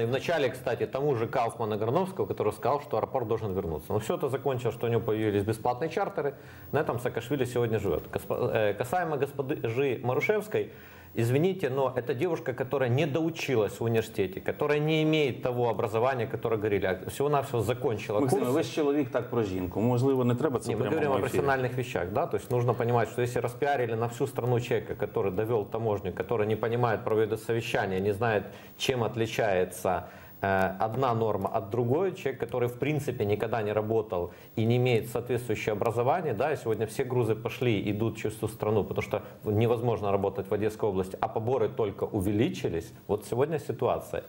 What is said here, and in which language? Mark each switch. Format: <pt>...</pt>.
<ru>И вначале, кстати, тому же Кауфману Грановского, который сказал, что аэропорт должен вернуться. Но все это закончилось, что у него появились бесплатные чартеры. На этом Саакашвили сегодня живет. Касаемо госпожи Марушевской, извините, но это девушка, которая не доучилась в университете, которая не имеет того образования, которое говорили, а всего-навсего закончила курс.</ru> <uk>Максим,</uk> <ru>вы же человек</ru> <uk>так про жінку, можливо, не треба це прямо в</uk> <ru>эфире. Мы говорим о профессиональных вещах, да, то есть нужно понимать, что если распиарили на всю страну человека, который довел таможню, который не понимает, проведет совещание, не знает, чем отличается одна норма от другой, человек, который в принципе никогда не работал и не имеет соответствующее образование, да, и сегодня все грузы пошли, идут через всю страну, потому что невозможно работать в Одесской области, а поборы только увеличились, вот сегодня ситуация.</ru>